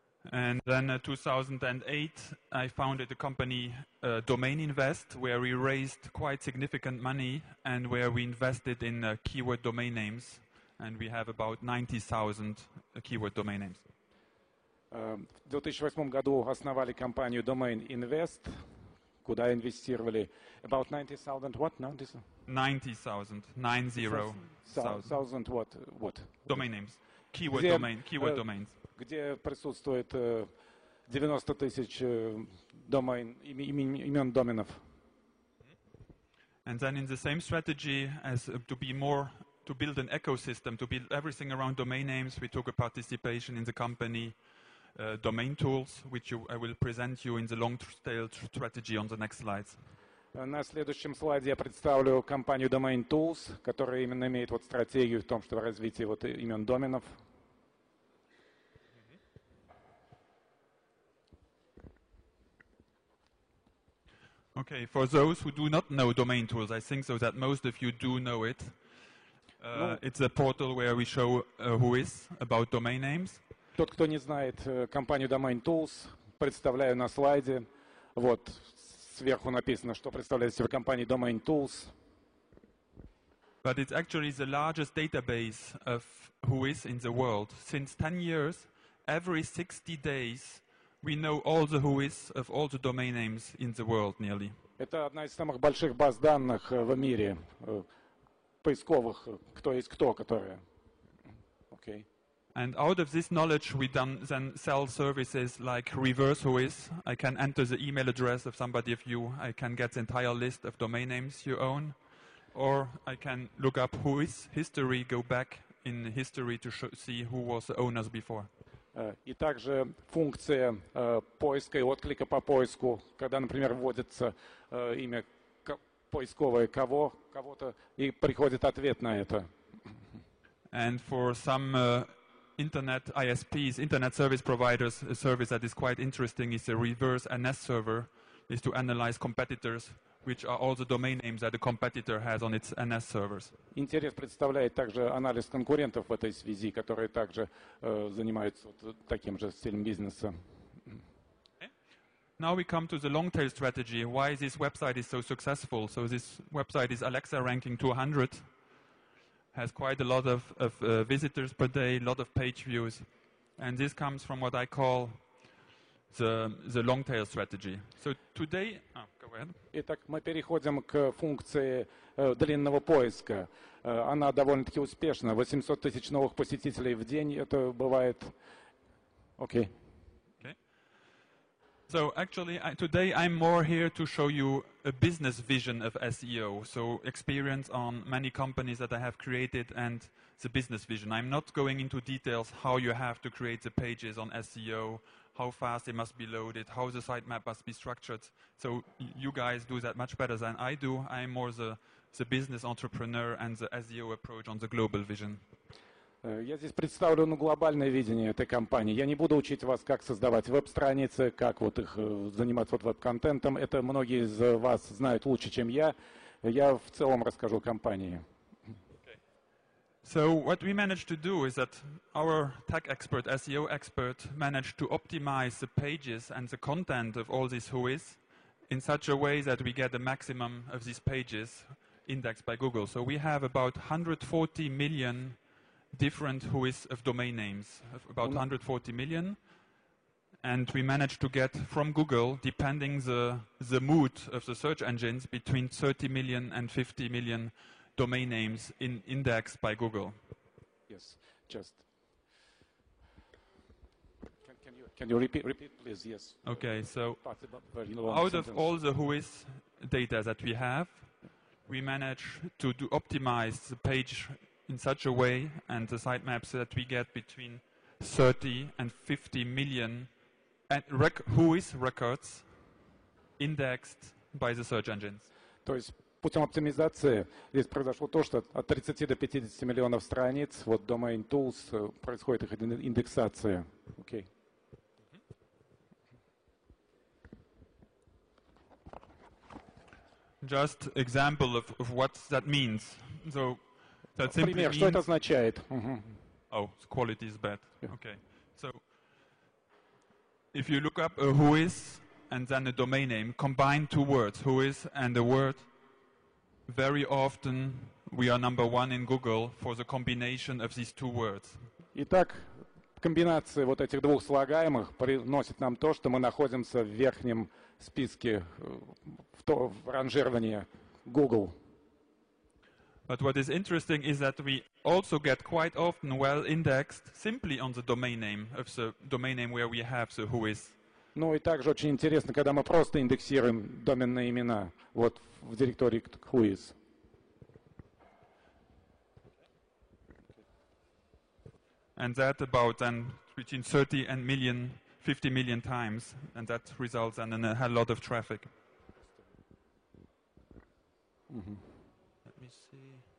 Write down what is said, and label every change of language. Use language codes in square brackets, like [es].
[en] And then in 2008, I founded a company, Domain Invest, where we raised quite significant money and where we invested in keyword domain names. And we have about 90,000 keyword domain names. [ru] В 2008 году основали компанию Domain Invest, куда инвестировали. [en] About 90,000 what? 90,000. 90,000 what? Domain names. Keyword domain. Keyword domains. [ru] Где присутствует 90 тысяч домен, имен доменов. [en] And then in the same strategy as to be more, to build an ecosystem, to build everything around domain names, we took a participation in the company Domain Tools, which you, I will present you in the long-tail strategy on the next slides. [ru] На следующем слайде я представлю компанию Domain Tools, которая именно имеет вот стратегию в том, что в развитии вот имен доменов. [en] Okay, for those who do not know Domain Tools, I think so that most of you do know it. It's a portal where we show whois about domain names. [ru] Тот, кто не знает компанию Domain Tools, представляю на слайде. Вот сверху написано, что представляет себя компания Domain Tools. [en] But it's actually the largest database of whois in the world. Since 10 years, every 60 days, we know all the whois of all the domain names in the world, nearly. [ru] Это одна из самых больших баз данных в мире поисковых, кто есть кто, которые. [en] Okay. And out of this knowledge, we then sell services like reverse whois. I can enter the email address of somebody of you. I can get the entire list of domain names you own, or I can look up whois history, go back in history to see who was the owners before. [ru] И также функция поиска и отклика по поиску, когда, например, вводится имя поисковое кого-то, и приходит ответ на это. [en] And for some internet ISPs, internet service providers, a service that is quite interesting is a reverse NS server, is to analyze competitors which are all the domain names that the competitor has on its NS servers. [ru] Интерес представляет также анализ конкурентов в этой связи, которые также занимаются таким же стилем бизнеса. [en] Now we come to the long tail strategy. Why this website is so successful? So this website is Alexa ranking 200, has quite a lot of visitors per day, a lot of page views, and this comes from what I call the long tail strategy. So today, go ahead. [ru] Итак, мы переходим к функции длинного поиска. Она довольно-таки успешна. 800 тысяч новых посетителей в день. Это бывает. Okay. [en] So actually, today I'm more here to show you a business vision of SEO. So experience on many companies that I have created and the business vision. I'm not going into details how you have to create the pages on SEO, how fast it must be loaded, how the sitemap must be structured. So you guys do that much better than I do. I'm more the business entrepreneur and the SEO approach on the global vision. [ru] Я здесь представлю глобальное видение этой компании. Я не буду учить вас, как создавать веб-страницы, как вот их заниматься вот веб-контентом. Это многие из вас знают лучше, чем я. Я в целом расскажу компании. [en] So what we managed to do is that our tech expert, SEO expert, managed to optimize the pages and the content of all these whois in such a way that we get the maximum of these pages indexed by Google. So we have about 140 million different whois of domain names, about 140 million, and we managed to get from Google, depending the mood of the search engines, between 30 million and 50 million domain names in indexed by Google. Yes, just. Can you repeat, please? Yes. Okay, so out of all the whois data that we have, we managed to optimize the page in such a way and the sitemaps that we get between 30 and 50 million whois records indexed by the search engines. [ru] То есть путем оптимизации здесь произошло то, что от 30 до 50 миллионов страниц вот domain tools происходит их индексация. [en] Okay. Just example of what that means. So that simply [ru] пример, [en] means, [ru] что это означает? [en] Oh, quality is bad. Yeah. Okay. So, if you look up a whois and then a domain name, combine two words, whois and a word, very often we are number one in Google for the combination of these two words. [ru] Итак, комбинация вот этих двух слагаемых приносит нам то, что мы находимся в верхнем списке в ранжировании Google. [en] But what is interesting is that we also get quite often well indexed simply on the domain name of the domain name where we have the whois. [ru] Ну и также очень интересно, когда мы просто индексируем доменные имена вот в директории whois. [en] And that about then between 30 and million, 50 million times, and that results in a lot of traffic. Let me see.